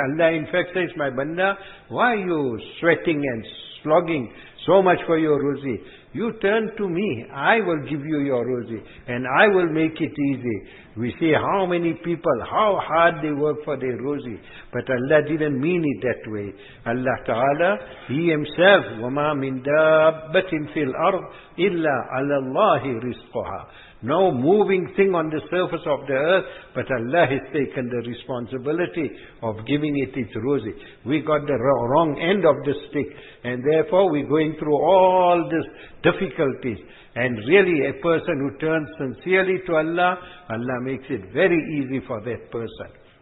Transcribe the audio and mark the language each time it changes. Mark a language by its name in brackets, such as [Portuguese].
[English] Allah in fact says, my banda, why are you sweating and slogging so much for your rosy? You turn to me, I will give you your rosy, and I will make it easy. We see how many people, how hard they work for their rosy. But Allah didn't mean it that way. [Arabic] Allah Ta'ala, [English] He Himself, [Arabic] وَمَا مِنْ دَابَّةٍ فِي الْأَرْضِ إِلَّا عَلَى اللَّهِ رِزْقُهَا. [English] No moving thing on the surface of the earth, but Allah has taken the responsibility of giving it its rosy. We got the wrong end of the stick, and therefore we're going through all these difficulties. And really, a person who turns sincerely to Allah, Allah makes it very easy for that person.